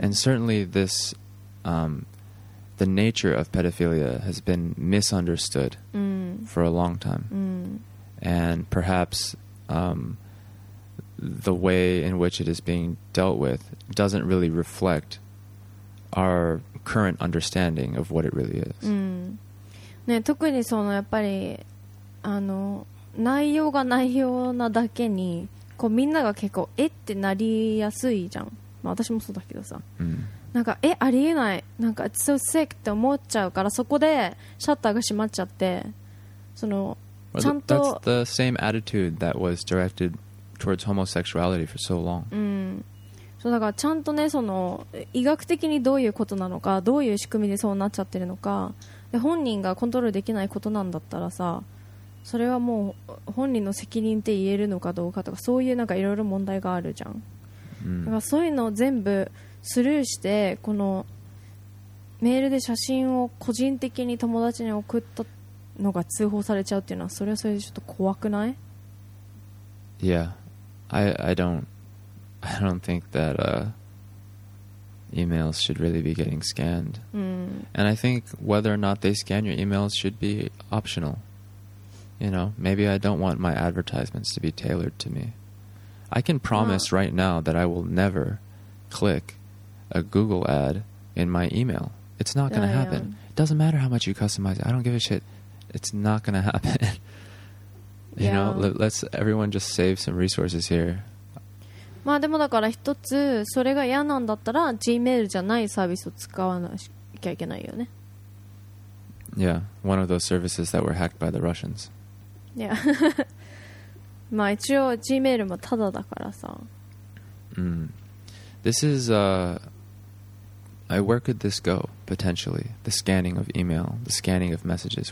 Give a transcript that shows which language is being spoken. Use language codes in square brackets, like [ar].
[en] And certainly this, the nature of pedophilia has been misunderstood mm. for a long time. Mm. And perhaps the way in which it is being dealt with doesn't really reflect our current understanding of what it really is. Mm. [ja] ね、特にそのやっぱりあの内容が内容なだけにこうみんなが結構えってなりやすいじゃん、まあ、私もそうだけどさ、うん、なんかえありえない、なんか [en] It's so sick [ja] って思っちゃうから、そこでシャッターが閉まっちゃって、そのちゃんと [en] That's the same attitude that was directed towards homosexuality for so long、 [ja] うん、そうだからちゃんとね、その医学的にどういうことなのか、どういう仕組みでそうなっちゃってるのか、で本人がコントロールできないことなんだったらさ、それはもう本人の責任って言えるのかどうかとか、そういうなんかいろいろ問題があるじゃん、うん、だからそういうのを全部スルーして、このメールで写真を個人的に友達に送ったのが通報されちゃうっていうのはそれはそれでちょっと怖くない？ [en] Yeah, I don't think that、emails should really be getting scanned、 mm. And I think whether or not they scan your emails should be optional. You know, maybe I don't want my advertisements to be tailored to me. I can promise、right now that I will never click a Google ad in my email. It's not going to happen. It doesn't matter how much you customize it. I don't give a shit. It's not going to happen. You know, let's everyone just save some resources here. [ja] まあ、でもだから一つそれが嫌なんだったら Gmail じゃないサービスを使わなきゃいけないよね。 [en] Yeah, one of those services that were hacked by the Russians. Yeah. [ja] まあ一応 Gmail もタダだからさ。 [en] This is where could this go potentially? The scanning of email, the scanning of messages.